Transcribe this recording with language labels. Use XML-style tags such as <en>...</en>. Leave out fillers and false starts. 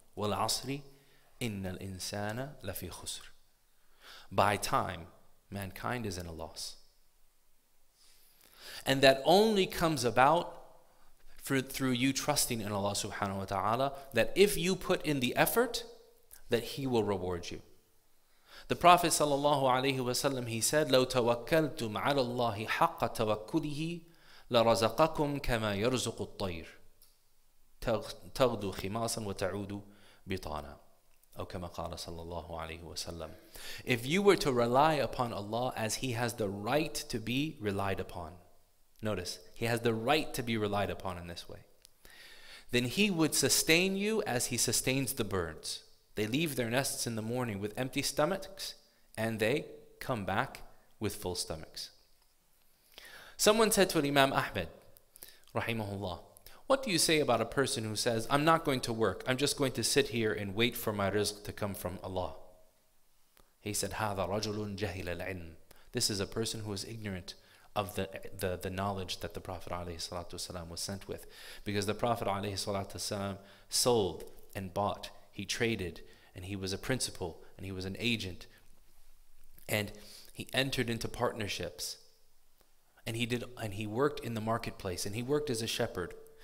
<ar>Wal asri, inna al-insana lafi khusr.</ar> <en>By time, mankind is in a loss. And that only comes about through you trusting in Allah subhanahu wa ta'ala, that if you put in the effort, that He will reward you. The Prophet</en> <ar>sallallahu alayhi wa sallam,</ar> <en>he said,</en> <ar>لَوْ تَوَكَّلْتُمْ عَلَى اللَّهِ حَقَّ تَوَكُّلِهِ لَرَزَقَكُمْ كَمَا يَرْزُقُ الطَّيْرِ تَغْدُوا خِمَاصًا وَتَعُودُوا بِطَانًا أَوْ كَمَا قَالَ sallallahu alayhi wa sallam.</ar> <en>If you were to rely upon Allah as He has the right to be relied upon, notice, He has the right to be relied upon in this way, then He would sustain you as He sustains the birds. They leave their nests in the morning with empty stomachs, and they come back with full stomachs. Someone said to Imam Ahmed, rahimahullah, what do you say about a person who says, I'm not going to work, I'm just going to sit here and wait for my rizq to come from Allah? He said,</en> <ar>هذا رجل جهل العلم.</ar> <en>This is a person who is ignorant of the knowledge that the Prophet ﷺ was sent with. Because the Prophet ﷺ sold and bought, he traded, and he was a principal, and he was an agent, and he entered into partnerships, and he worked in the marketplace, and he worked as a shepherd.</en>